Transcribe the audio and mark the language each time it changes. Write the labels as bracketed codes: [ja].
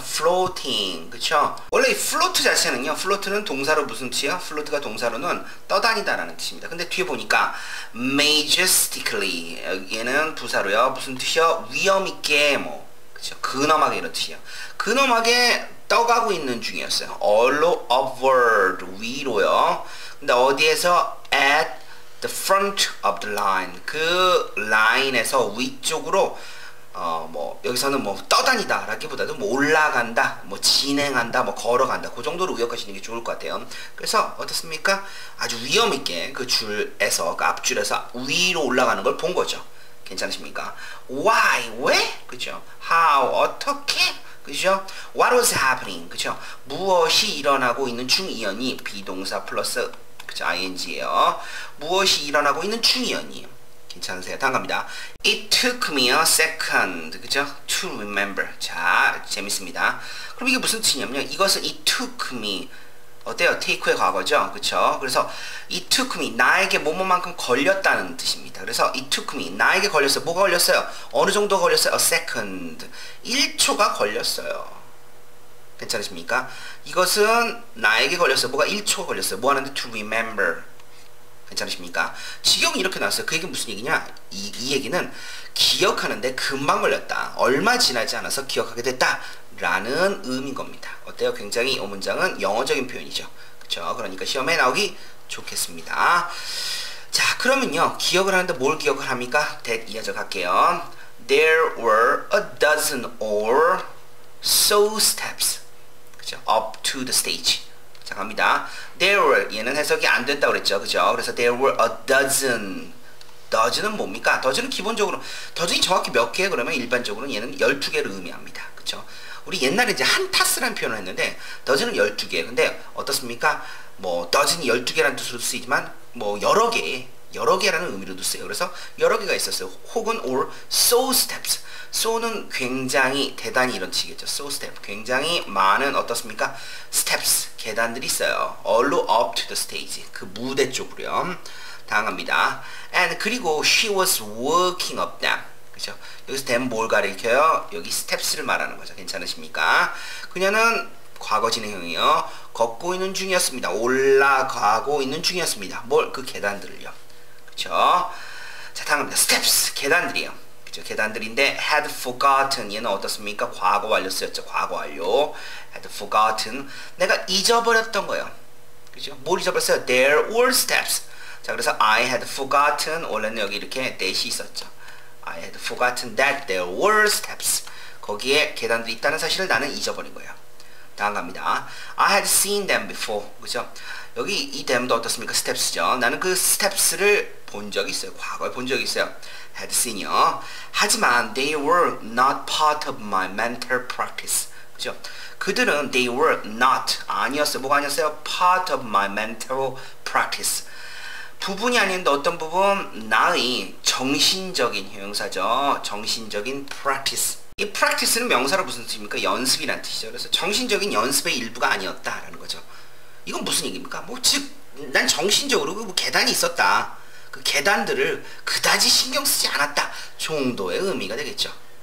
[ko] floating, 그쵸? 원래 이 float 자체는요, float는 동사로 무슨 뜻이야? float가 동사로는 떠다니다라는 뜻입니다. 근데 뒤에 보니까 majestically, 여기에는 부사로요, 무슨 뜻이야? 위험있게, 뭐, 그쵸? 근엄하게 이런 뜻이야. 근엄하게 떠가고 있는 중이었어요. [en] All upward, 위로요. [ko] 근데 어디에서? [en] At the front of the line. [ko] 그 라인에서 위쪽으로 뭐 여기서는 뭐 떠다니다 라기보다도 뭐 올라간다, 뭐 진행한다, 뭐 걸어간다, 그 정도로 기억하시는 게 좋을 것 같아요. 그래서 어떻습니까? 아주 위험있게 그 줄에서, 그 앞줄에서 위로 올라가는 걸 본 거죠. 괜찮으십니까? Why? 왜? 그죠? How? 어떻게? 그죠? [en] What was happening? [ko] 그죠? 무엇이 일어나고 있는 중이었니? 비동사 플러스 그죠? ing예요. 무엇이 일어나고 있는 중이었니? 괜찮으세요? 다음 갑니다. [en] It took me a second, [ko] 그죠? [en] To remember. [ko] 자, 재밌습니다. 그럼 이게 무슨 뜻이냐면요, 이것은 [en] it took me, [ko] 어때요? take의 과거죠? 그쵸? 그래서 [en] it took me, [ko] 나에게 뭐뭐만큼 걸렸다는 뜻입니다. 그래서 [en] it took me, [ko] 나에게 걸렸어요. 뭐가 걸렸어요? 어느 정도 걸렸어요? [en] a second, [ko] 1초가 걸렸어요. 괜찮으십니까? 이것은 나에게 걸렸어요. 뭐가 1초가 걸렸어요. 뭐 하는데? [en] to remember. [ko] 괜찮으십니까? 지경이 이렇게 나왔어요. 그 얘기는 무슨 얘기냐? 이 얘기는 기억하는데 금방 걸렸다, 얼마 지나지 않아서 기억하게 됐다 라는 의미인 겁니다. 어때요? 굉장히 이 문장은 영어적인 표현이죠. 그렇죠? 그러니까 시험에 나오기 좋겠습니다. 자, 그러면요, 기억을 하는데 뭘 기억을 합니까? 대 이어져 갈게요. [en] There were a dozen or so steps, 그쵸? up to the stage. [ko] 자, 갑니다. [en] There were, [ko] 얘는 해석이 안 됐다고 그랬죠. 그죠? 그래서 [en] there were a dozen. [ko] dozen은 뭡니까? dozen은 기본적으로, dozen이 정확히 몇 개? 그러면 일반적으로 얘는 12개를 의미합니다. 그죠? 우리 옛날에 이제 한 타스란 표현을 했는데, dozen은 12개. 근데 어떻습니까? 뭐, dozen이 12개라는 뜻으로 쓰이지만, 뭐, 여러 개, 여러 개라는 의미로도 쓰여요. 그래서 여러 개가 있었어요. [en] 혹은 or so steps. [ko] so는 굉장히 대단히 이런 뜻이겠죠. so step, 굉장히 많은 어떻습니까? steps, 계단들이 있어요. [en] all up to the stage, 그 무대 쪽으로요. [ko] 다음 갑니다. [en] and [ko] 그리고 [en] she was walking up them. [ko] 그렇죠? 여기서 them 뭘 가리켜요? 여기 steps를 말하는 거죠. 괜찮으십니까? 그녀는 과거 진행형이요, 걷고 있는 중이었습니다. 올라가고 있는 중이었습니다. 뭘? 그 계단들을요. 그렇죠? 자, 다음 갑니다. steps, 계단들이요. 계단들인데 had forgotten, 얘는 어떻습니까? 과거 완료였죠. 과거 완료. had forgotten, 내가 잊어버렸던 거예요. 그죠? 뭘 잊어버렸어요? [en] there were steps. [ko] 자, 그래서 [en] I had forgotten, [ko] 원래는 여기 이렇게 대시 있었죠. [en] I had forgotten that there were steps. [ko] 거기에 계단들이 있다는 사실을 나는 잊어버린 거예요. 다음 갑니다. [en] I had seen them before. [ko] 그죠? 여기 이 them도 어떻습니까? steps죠. 나는 그 steps를 본 적이 있어요. 과거에 본 적이 있어요. had seen요. 하지만 [en] they were not part of my mental practice. [ko] 그죠? 그들은 [en] they were not, [ko] 아니었어요. 뭐가 아니었어요? [en] part of my mental practice. [ko] 부분이 아닌데 어떤 부분? 나의 정신적인 형용사죠. 정신적인 practice. 이 practice는 명사로 무슨 뜻입니까? 연습이란 뜻이죠. 그래서 정신적인 연습의 일부가 아니었다라는 거죠. 이건 무슨 얘기입니까? 뭐 즉 난 정신적으로 뭐 계단이 있었다, 그 계단들을 그다지 신경 쓰지 않았다 정도의 의미가 되겠죠.